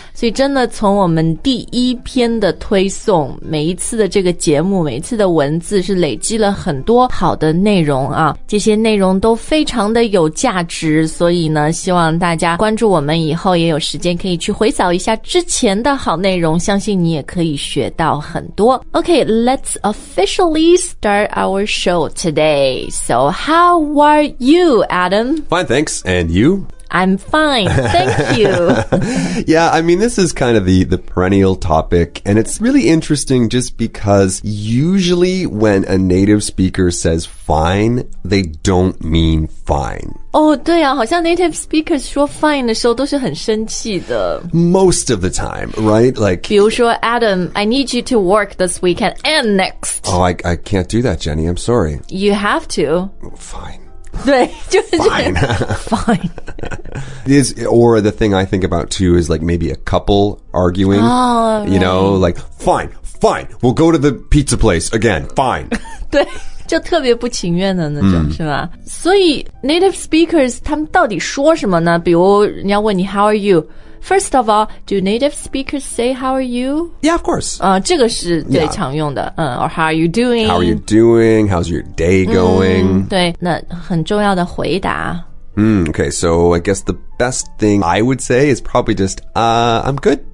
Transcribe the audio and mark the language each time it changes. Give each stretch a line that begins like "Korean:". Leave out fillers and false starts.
Chinese: 所以真的从我们第一篇的推送，每一次的这个节目，每一次的文字是累积了很多好的内容啊，这些内容都非常的有价值，所以呢希望大家关注我们以后也有时间可以去回扫一下之前的好内容，相信你也可以学到很多。
English: OK, let's officially start our show today. So how are you, Adam? Fine, thanks. And you? I'm fine, thank you. Yeah, I mean, this is kind of the perennial topic, and it's really interesting just because usually when a native speaker says fine, they don't mean fine.
Chinese: Oh, 对啊，好像 native speakers 说 fine 的时候都是很生气的。
English: Most of the time, right? Like,
Chinese: 比如说
English: Adam, I need you to work this weekend and next. Oh, I can't do that, Jenny, I'm sorry. You have to. Fine. Fine. Fine. Or the thing I think about too is like maybe a couple arguing. Oh, right. You know, like, fine, fine, we'll go to the pizza place again, fine.
Chinese: 对，就特别不情愿的那种，是吧？所以 native speakers 他们到底说什么呢？比如人家问你
English: how are you? First of all, do native speakers say how are you? Yeah, of course.
Chinese: 这个是最常用的。
English: Or how are you doing? How are you doing? How's your day going?
Chinese: 对，那很重要的回答。
English: Okay, so I guess the best thing I would say is probably just, I'm good.